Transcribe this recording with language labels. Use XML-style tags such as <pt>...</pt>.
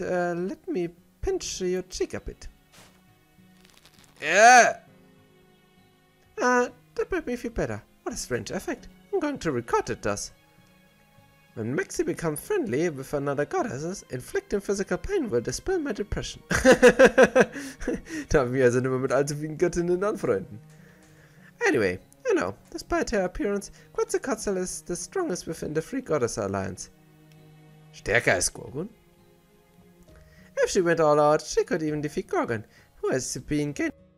<en>Let me pinch your cheek a bit. That made me feel better. What a strange effect. I'm going to record it thus. When Maxi becomes friendly with another goddess, inflicting physical pain will dispel my depression.</en> <de>Darf ich mich also nicht mehr mit allzu vielen Göttinnen anfreunden.</de> <en>Anyway, you know, despite her appearance, Quetzalcoatl is the strongest within the Three Goddess Alliance.</en> <de>Stärker als Gorgon?</de> <en>If she went all out, she could even defeat Gorgon, who has been gained.</en>